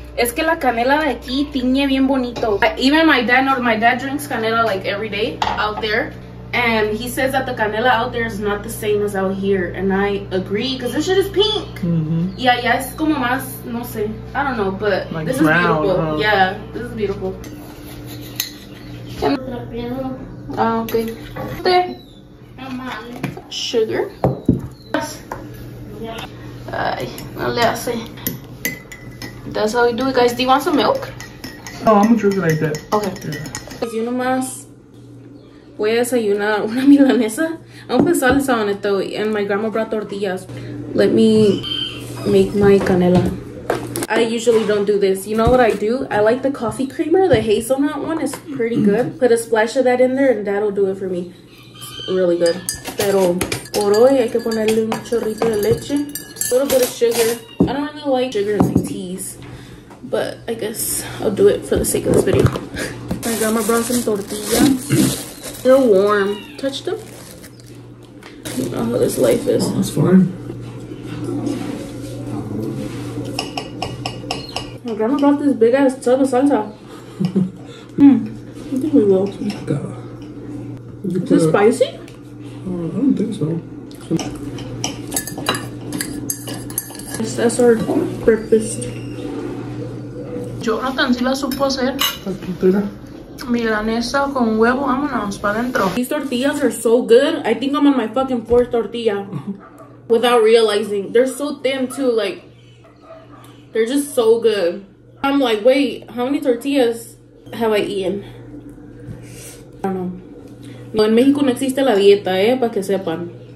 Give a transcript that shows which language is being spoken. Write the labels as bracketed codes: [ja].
[es] Es que la canela de aquí tiñe bien bonito. [en] Even my dad drinks canela like every day out there. And he says that the canela out there is not the same as out here. And I agree, because this shit is pink. Mm-hmm. Yeah, yeah, it's [es] como más, no sé. [en] I don't know, but like this brown, is beautiful. Huh? Yeah, this is beautiful. Okay. Sugar. Yes. [es] Ay, no le hace. [en] That's how we do it, guys. Do you want some milk? No, I'm gonna drink it like that. Okay. Yeah. You know [es] más. Voy a desayunar una milanesa. [en] I'm putting salsa on it though, and my grandma brought tortillas. Let me make my canela. I usually don't do this. You know what I do? I like the coffee creamer. The hazelnut one is pretty good. Put a splash of that in there, and that'll do it for me. It's really good. [es] Pero por hoy hay que ponerle un chorrito de leche. [en] A little bit of sugar. I don't really like sugar in my teas, but I guess I'll do it for the sake of this video. My grandma brought some tortillas. They're warm. Touch them. I don't know how this life is. That's fine. My grandma brought this big ass tub of salsa. I think we well. It's like a, is it spicy? I don't think so. That's our breakfast. [es] Yo no tan si la supo hacer. Milanesa con huevo, vámonos para adentro. [en] These tortillas are so good. I think I'm on my fucking fourth tortilla. Without realizing. They're so thin too, like. They're just so good. I'm like, wait, how many tortillas have I eaten? I don't know. [es] No, en México no existe la dieta, para que sepan.